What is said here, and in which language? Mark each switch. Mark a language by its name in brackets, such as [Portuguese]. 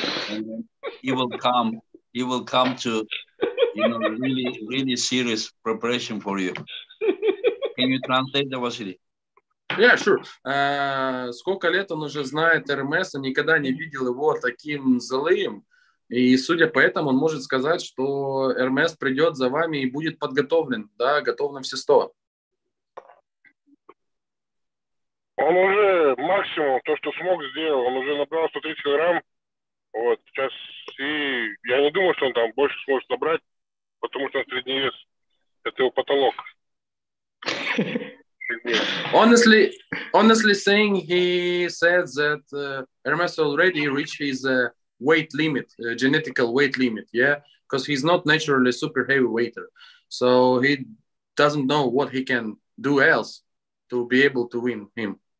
[English] And he will come to, you know, really, really serious preparation for you. Can you translate that, Vasily? Yeah, sure. [Russian] Сколько лет он уже знает Эрмеса, никогда не видел его таким злым. И судя по этому, он может сказать, что Эрмес придет за вами и будет подготовлен, да, готов на все 100. Он уже максимум, то, что смог, сделал. Он уже набрал 130 грамм. Вот, сейчас, и я не думаю, что он там больше сможет набрать, потому что он средний вес. Это его потолок. [English] Honestly saying, he said that Эрмес already reached his weight limit, genetical weight limit, yeah, because he's not naturally super heavy weighter, so he doesn't know what he can do else to be able to win him.